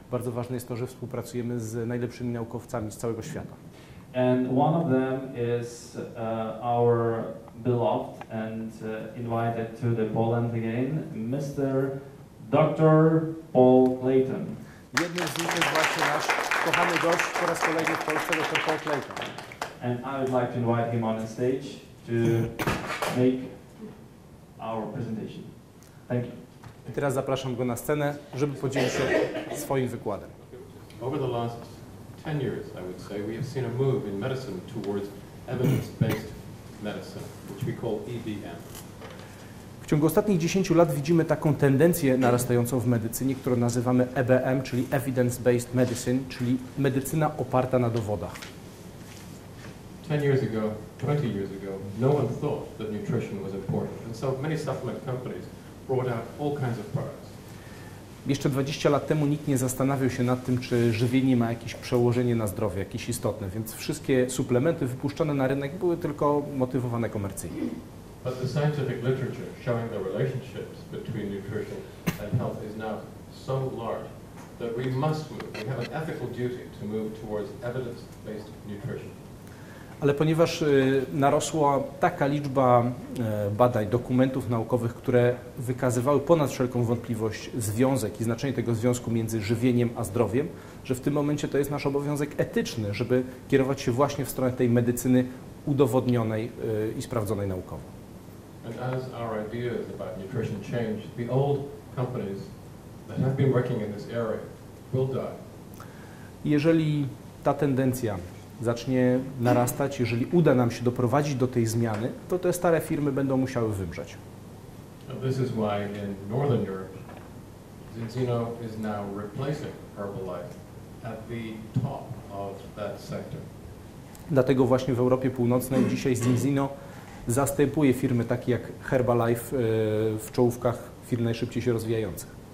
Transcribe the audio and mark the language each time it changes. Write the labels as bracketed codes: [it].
[pl] bardzo ważne jest to, że współpracujemy z najlepszymi naukowcami z całego świata. [en] And one of them is our beloved and invited to the Poland again, Mr. Dr. Paul Clayton. [pl] Jednym z nich jest właśnie nasz kochany gość po raz kolejny w Polsce, Dr. Paul Clayton. [en] And I would like to invite him on the stage to make our presentation. Thank you. [pl] I teraz zapraszam go na scenę, żeby podzielić się swoim wykładem. [en] Over the last 10 years, I would say, we have seen a move in medicine towards evidence-based medicine, which we call EBM. [pl] W ciągu ostatnich 10 lat widzimy taką tendencję narastającą w medycynie, którą nazywamy EBM, czyli evidence-based medicine, czyli medycyna oparta na dowodach. [en] 10 years ago, 20 years ago, no one thought that nutrition was important, and so many supplement companies brought out all kinds of products. [pl] Jeszcze 20 lat temu nikt nie zastanawiał się nad tym, czy żywienie ma jakieś przełożenie na zdrowie, jakieś istotne, więc wszystkie suplementy wypuszczane na rynek były tylko motywowane komercyjnie. [en] But the scientific literature showing the relationships between nutrition and health is now so large that we must move. We have an ethical duty to move towards evidence-based nutrition. [pl] Ale ponieważ narosła taka liczba badań, dokumentów naukowych, które wykazywały ponad wszelką wątpliwość związek i znaczenie tego związku między żywieniem a zdrowiem, że w tym momencie to jest nasz obowiązek etyczny, żeby kierować się właśnie w stronę tej medycyny udowodnionej i sprawdzonej naukowo. [en] And as our ideas about nutrition change, the old companies that have been working in this area will die. [pl] Jeżeli ta tendencja zacznie narastać, jeżeli uda nam się doprowadzić do tej zmiany, to te stare firmy będą musiały wymrzeć. [en] This is why in Northern Europe, Zinzino is now replacing Herbalife at the top of that sector. [pl] Dlatego właśnie w Europie Północnej dzisiaj Zinzino zastępuje firmy takie jak Herbalife w czołówkach firm najszybciej się rozwijających.